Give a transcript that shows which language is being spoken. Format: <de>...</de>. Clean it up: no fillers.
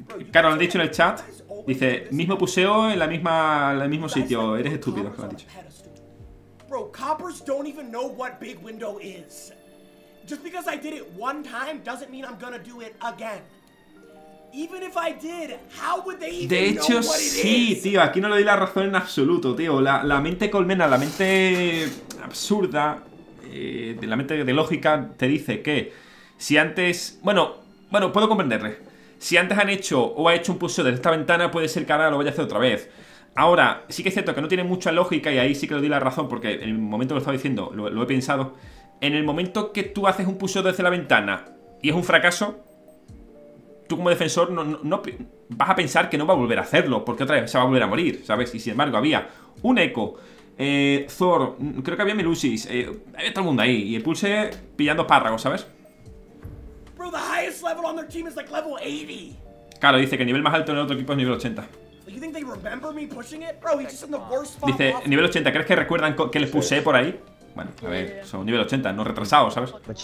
<es>Claro, lo han dicho en el chat. Dice, mismo puseo en la misma, en el mismo sitio. Eres estúpido, lo han dicho.</es> <en>Bro, coppers don't even know what big window is. Just because I did it one time doesn't mean I'm gonna do it again. Even if I did, how would they even know what it is?</en> <es>De hecho, sí, tío, aquí no le doy la razón en absoluto, tío. La mente colmena, la mente absurda, de la mente de lógica, te dice que si antes. Bueno, puedo comprenderle. Si antes han hecho o ha hecho un pulso desde esta ventana, puede ser que ahora lo vaya a hacer otra vez. Ahora, sí que es cierto que no tiene mucha lógica, y ahí sí que le doy la razón, porque en el momento que lo estaba diciendo, lo he pensado. En el momento que tú haces un pulso desde la ventana y es un fracaso, tú como defensor no vas a pensar que no va a volver a hacerlo, porque otra vez se va a volver a morir, ¿sabes? Y sin embargo, había un Echo, Zor, creo que había Melusis, había todo el mundo ahí, y el pulse pillando espárragos, ¿sabes?</es> <en>Bro, the highest level on their team is like level 80.</en> <es>Claro, dice que el nivel más alto en el otro equipo es nivel 80. Dice, nivel 80, ¿crees que recuerdan que les puse por ahí? Bueno, a ver, son nivel 80, no retrasados, ¿sabes?</es>